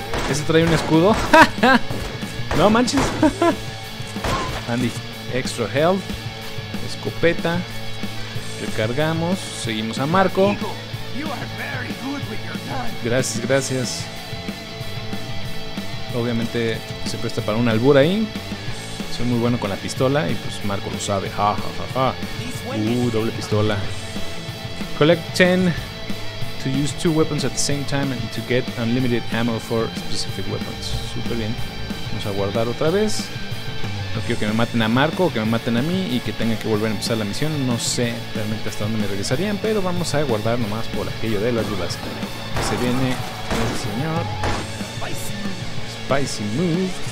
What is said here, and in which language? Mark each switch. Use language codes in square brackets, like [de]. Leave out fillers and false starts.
[es] ¿Ese trae un escudo? No manches. Andy, extra health. Escopeta. Recargamos. Seguimos a Marco. Gracias, gracias. Obviamente se presta para un albur ahí. Soy muy bueno con la pistola y pues Marco lo sabe. Ja, ja, ja, ja. Doble pistola. [en] Collect 10 to use two weapons at the same time and to get unlimited ammo for specific weapons. [es] Súper bien. Vamos a guardar otra vez. No quiero que me maten a Marco o que me maten a mí y que tenga que volver a empezar la misión. No sé realmente hasta dónde me regresarían, pero vamos a guardar nomás por aquello de las dudas. Se viene ese señor. [en] Spicy move.